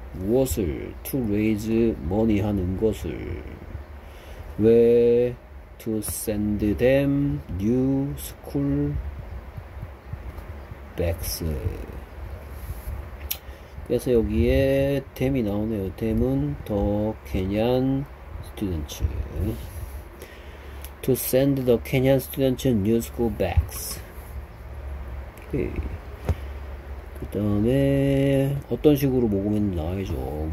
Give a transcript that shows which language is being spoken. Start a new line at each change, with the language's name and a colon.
Korean: 무엇을
English: to raise money
Korean: 하는 것을 왜
English: to send them new school bags.
Korean: 그래서 여기에 댐이 나오네요. 댐은 더
English: Kenyan students. To send the Kenyan students new school bags.
Korean: 오케이. 그 다음에 어떤 식으로 모금했는지 나와야죠.